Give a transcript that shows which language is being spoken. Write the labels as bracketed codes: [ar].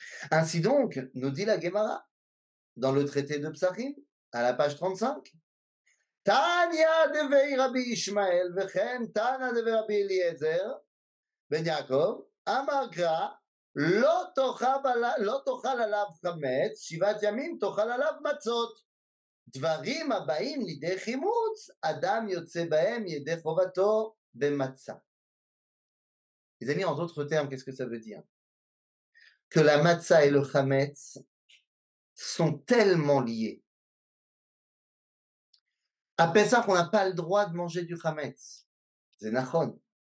[fr] Ainsi donc, nous dit la Gemara, dans le traité de Psachim, à la page 35, [he] Tania devei Rabbi Ishmael, vechem Tana devei Rabbi Eliezer, ben Yaakov, amagra, לא תאכל עליו חמץ, שבעת ימים תאכל עליו מצות. דברים הבאים לידי חימוץ, אדם יוצא בהם ידי חובתו במצה. [fr] Les amis, en d'autres termes, qu'est-ce que ça veut dire? Que la matza et le chametz sont tellement liés. À Pessah, on n'a pas le droit de manger du chametz. C'est nachon.